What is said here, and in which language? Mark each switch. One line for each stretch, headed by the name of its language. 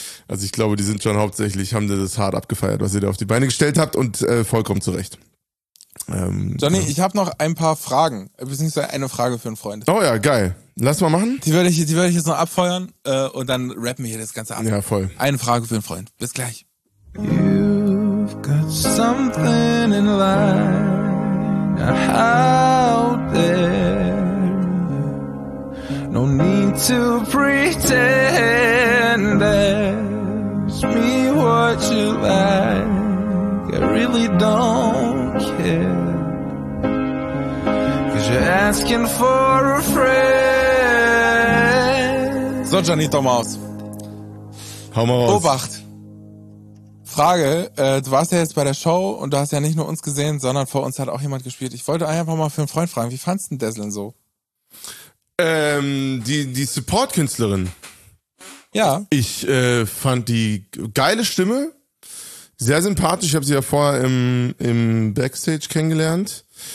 German: Also ich glaube, die sind schon hauptsächlich, haben das hart abgefeiert, was ihr da auf die Beine gestellt habt, und vollkommen zu Recht. Johnny, ich habe noch ein paar Fragen, beziehungsweise eine Frage für einen Freund. Oh ja, geil. Lass mal machen. Die würde ich jetzt noch abfeuern und dann rappen wir hier das Ganze ab. Ja, voll. Eine Frage für einen Freund. Bis gleich.
English: You've got something in line out there. No need to pretend. Ask me what you like. I really don't care. 'Cause you're asking for a friend.
German: So, Janito Maus. Hau mal raus. Obacht. Frage, du warst ja jetzt bei der Show und du hast ja nicht nur uns gesehen, sondern vor uns hat auch jemand gespielt. Ich wollte einfach mal für einen Freund fragen, wie fandst du denn Deslin so? Die Support-Künstlerin. Ja. Ich fand die geile Stimme, sehr sympathisch, ich habe sie ja vorher im Backstage kennengelernt.